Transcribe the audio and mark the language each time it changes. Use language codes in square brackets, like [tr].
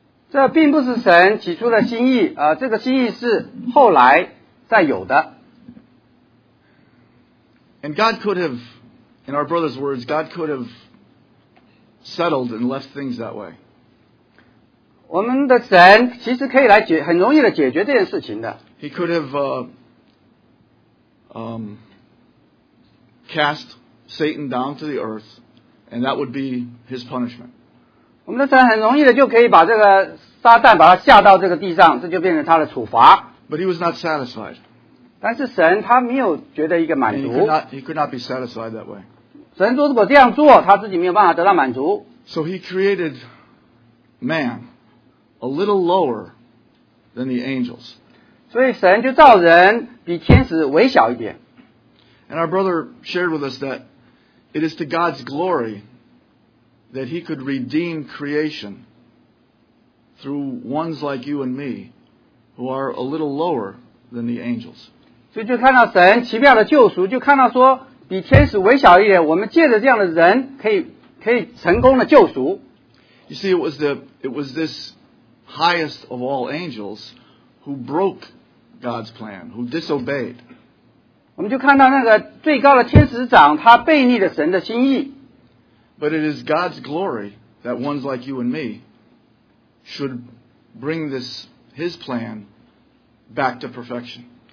[zh] 这并不是神起初的心意，这个心意是后来再有的。 [en] And God could have, in our brother's words, God could have settled and left things that way. [zh] 我们的神其实可以来很容易的解决这件事情的。 [en] He could have cast Satan down to the earth, and that would be his punishment. [zh] 我们的神很容易的就可以把这个撒旦把他下到这个地上，这就变成他的处罚。 [en] But he was not satisfied. [zh] 但是神他没有觉得一个满足。 [en] He could not be satisfied that way. [zh] 神说如果这样做，他自己没有办法得到满足。 [en] So he created man a little lower than the angels. [zh] 所以神就造人比天使微小一点。 [en] And our brother shared with us that it is to God's glory that he could redeem creation through ones like you and me who are a little lower than the angels. [zh] 所以就看到神奇妙的救赎，就看到说。比天使微小一点，我们借着这样的人，可以成功的救赎。 [en] You see, it was this highest of all angels who broke God's plan, who disobeyed. [zh] 我们就看到那个最高的天使长，他背逆了神的心意。 [en] But it is God's glory that ones like you and me should bring this His plan back to perfection.